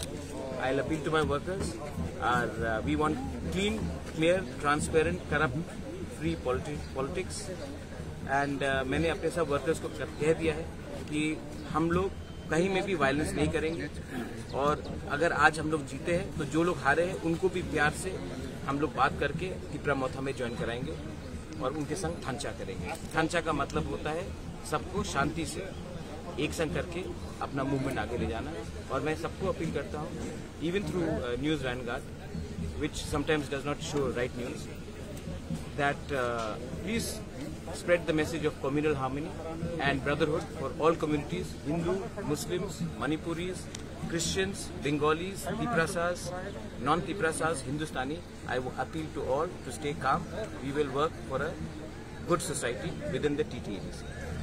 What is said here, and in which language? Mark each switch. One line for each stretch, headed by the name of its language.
English: I will appeal to my workers, আর we want clean, clear, transparent, corrupt, free politics.
Bangla: And মানে আপনি সব workers কে দিয়া হ্যা
Hindi: कि हम लोग कहीं में भी वायलेंस नहीं करेंगे, और अगर आज हम लोग जीते हैं तो जो लोग हारे हैं उनको भी प्यार से हम लोग बात करके त्रिपुरा मोथा में ज्वाइन कराएंगे और उनके संग ठांचा करेंगे। ठांचा का मतलब होता है सबको शांति से एक संग करके अपना मूवमेंट आगे ले जाना। और मैं सबको अपील करता हूँ,
English: Even through News Vanguard which sometimes does not show right news, that please spread the message of communal harmony and brotherhood for all communities, Hindu, Muslims, Manipuris, Christians, Bengalis, Tiprasas, non-Tiprasas, Hindustani. I appeal to all to stay calm. We will work for a good society within the TTNC.